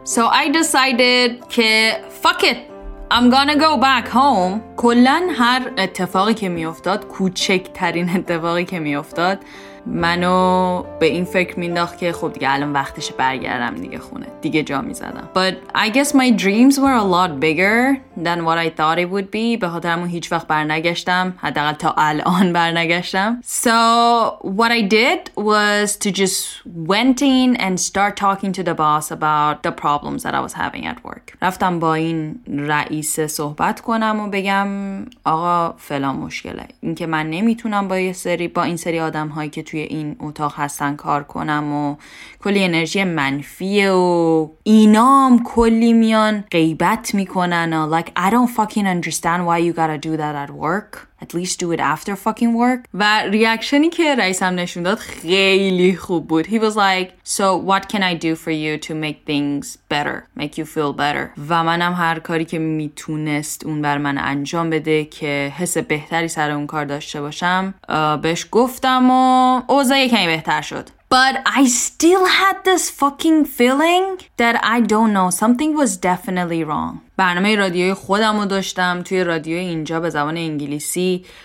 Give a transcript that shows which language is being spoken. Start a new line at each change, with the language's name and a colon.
English: So I decided که fuck it, I'm gonna go back home.
Persian: کلن هر اتفاقی که میافتاد، کوچکترین اتفاقی که میافتاد، منو به این فکر مینداخت که خب دیگه الان وقتش برگردم دیگه خونه، دیگه جا میزدم.
English: But I guess my dreams were a lot bigger than what I thought it would be.
Persian: به خاطرمون هیچ وقت برنگشتم، حداقل تا الان برنگشتم.
English: So what I did was to just went in and start talking to the boss about the problems that I was having at work.
Persian: رفتم با این رئیس صحبت کنم و بگم آقا فلان مشکله، اینکه من نمیتونم با این سری آدم هایی که توی این اتاق هستن کار کنم و کلی انرژی منفیه و اینام کلی میان غیبت میکنن.
English: Like I don't fucking understand why you gotta do that at work. At least do it after fucking work.
Persian: و ریاکشنی که رئیسم نشون داد خیلی خوب بود.
English: He was like, so what can I do for you to make things better, make you feel better?
Persian: و منم هر کاری که میتونست اون بر من انجام بده که حس بهتری سر اون کار داشته باشم بهش گفتم و اوضاع یکمی بهتر شد.
English: But I still had this fucking feeling that I don't know, something was definitely wrong.
Persian: برنامه رادیوی خودم رو داشتم توی رادیو اینجا به زبان انگلیسی.